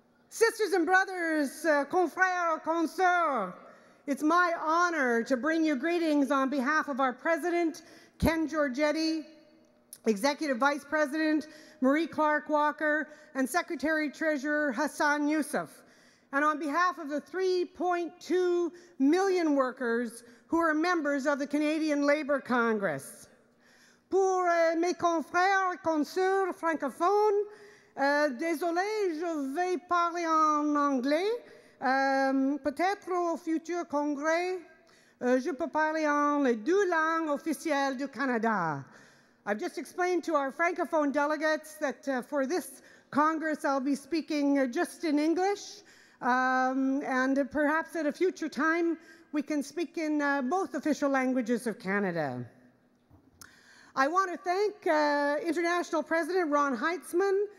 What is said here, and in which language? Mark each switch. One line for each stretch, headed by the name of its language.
English: Sisters and brothers,
French: confrères, consoeurs,
English: it's my honor to bring you greetings on behalf of our president, Ken Giorgetti, Executive Vice President Marie Clark Walker, and Secretary Treasurer Hassan Youssef. And on behalf of the 3.2 million workers who are members of the Canadian Labour Congress.
French: Pour mes confrères et consoeurs francophones, désolé, je vais parler en anglais. Peut-être au futur congrès, je peux parler en les deux langues officielles du Canada.
English: I've just explained to our francophone delegates that for this Congress, I'll be speaking just in English, and perhaps at a future time, we can speak in both official languages of Canada. I want to thank International President Ron Heitzman.